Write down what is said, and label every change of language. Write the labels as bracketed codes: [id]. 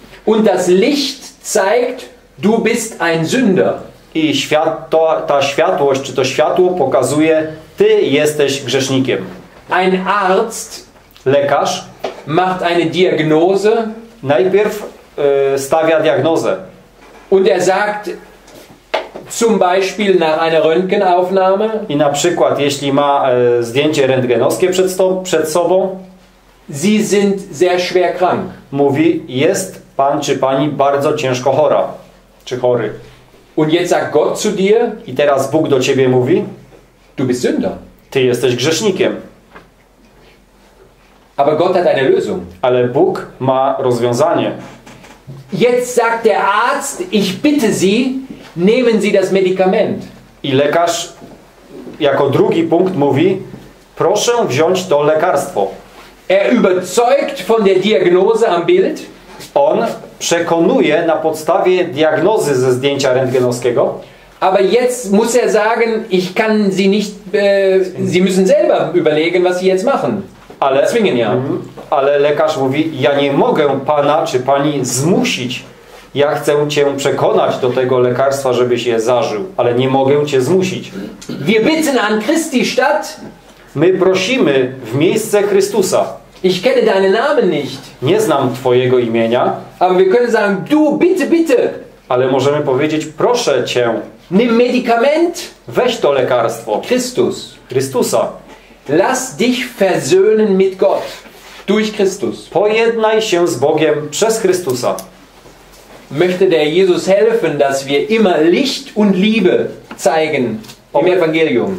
[de] Und das Licht zeigt, du bist ein Sünder. [pl] I ta światłość, czy to światło pokazuje, ty jesteś grzesznikiem. [de] Ein Arzt, [pl] lekarz, [de] macht eine Diagnose, [pl] najpierw stawia diagnozę. [de] Und er sagt, zum Beispiel nach einer Röntgenaufnahme, [pl] i na przykład jeśli ma zdjęcie rentgenowskie przed sobą, [de] Sie sind sehr schwer krank. [pl] Mówi, jest pan czy pani bardzo ciężko chora, czy chory. [de] Und jetzt sagt Gott zu dir, [pl] i teraz Bóg do ciebie mówi, [de] du bist Sünder. [pl] Ty jesteś grzesznikiem. [de] Aber Gott hat eine Lösung. [pl] Ale Bóg ma rozwiązanie. [de] Jetzt sagt der Arzt, ich bitte Sie, nehmen Sie das Medikament. [pl] I lekarz jako drugi punkt mówi, proszę wziąć to lekarstwo. [de] Er überzeugt von der Diagnose am Bild. [pl] On przekonuje na podstawie diagnozy ze zdjęcia rentgenowskiego. [de] Aber jetzt muss er sagen, ich kann sie nicht, sie müssen selber überlegen, was sie jetzt machen. [pl] Ale, [de] zwingen, ja. [pl] Ale lekarz mówi, ja nie mogę pana czy pani zmusić. Ja chcę cię przekonać do tego lekarstwa, żebyś je zażył, ale nie mogę cię zmusić. [de] Wir bitten an Christi Stadt. [pl] My prosimy w miejsce Chrystusa. [de] Ich kenne deinen Namen nicht. [pl] Nie znam twojego imienia. [de] Aber wir können sagen, du bitte, bitte. [pl] Ale możemy powiedzieć, proszę cię. [de] Nimm Medikament. [pl] Weź to lekarstwo. [de] Christus. [pl] Chrystusa. [de] Lass dich versöhnen mit Gott. Durch Christus. [pl] Pojednaj się z Bogiem przez Chrystusa. [de] Möchte der Jesus helfen, dass wir immer Licht und Liebe zeigen im Evangelium.